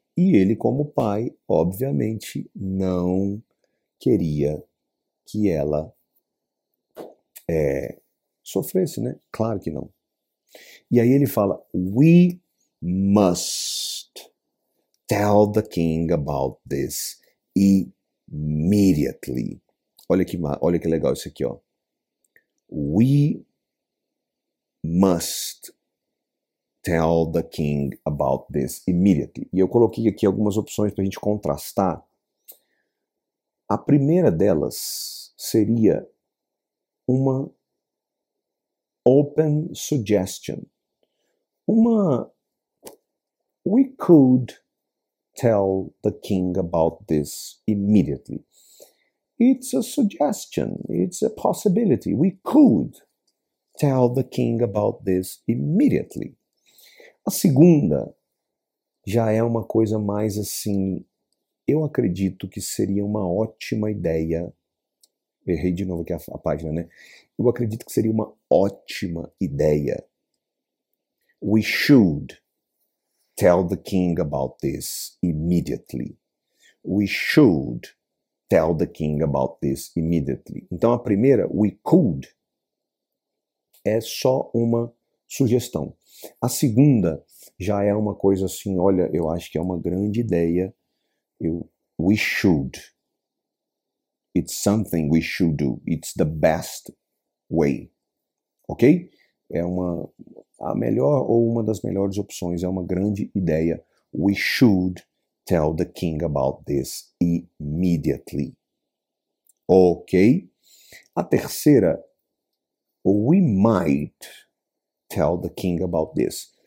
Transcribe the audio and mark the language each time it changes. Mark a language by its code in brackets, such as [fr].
[pt] E ele, como pai, obviamente, não queria que ela sofresse, né? Claro que não. E aí ele fala, [en] we must tell the king about this immediately. [pt] Olha que legal isso aqui, ó. [en] We must tell the king about this immediately. [pt] E eu coloquei aqui algumas opções para a gente contrastar. A primeira delas seria uma open suggestion. Uma. [en] We could tell the king about this immediately. It's a suggestion. It's a possibility. We could tell the king about this immediately. [pt] A segunda já é uma coisa mais assim. Eu acredito que seria uma ótima ideia. Errei de novo aqui a página, né? Eu acredito que seria uma ótima ideia. [en] We should tell the king about this immediately. We should tell the king about this immediately. [pt] Então, a primeira, [en] we could, [pt] é só uma sugestão. A segunda já é uma coisa assim, olha, eu acho que é uma grande ideia. [en] We should. It's something we should do. It's the best way. Ok? [pt] É uma. A melhor ou uma das melhores opções, é uma grande ideia. [en] We should tell the king about this immediately. Ok? [pt] A terceira, [en] we might tell the king about this.